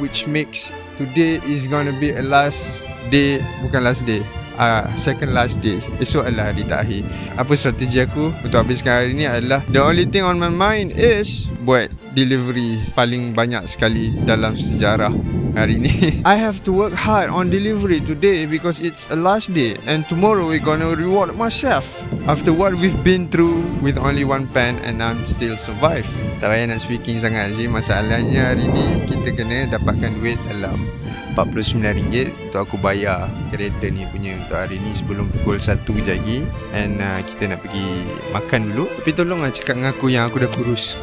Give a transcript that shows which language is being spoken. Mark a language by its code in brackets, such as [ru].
[en] Which makes today is gonna be a last day. Bukan last day. Second last day. [ms] Esok adalah hari terakhir. Apa strategi aku untuk habiskan hari ni adalah [en] the only thing on my mind is [ms] buat delivery paling banyak sekali dalam sejarah hari ni. [en] I have to work hard on delivery today because it's a last day. And tomorrow we're gonna reward myself after what we've been through with only one pen and I'm still survive. [ms] Tak payah nak speaking sangat sih. Masalahnya hari ni kita kena dapatkan duit dalam RM49 untuk aku bayar kereta ni punya untuk hari ni sebelum pukul 1 je lagi. And kita nak pergi makan dulu. Tapi tolonglah cakap dengan aku yang aku dah kurus.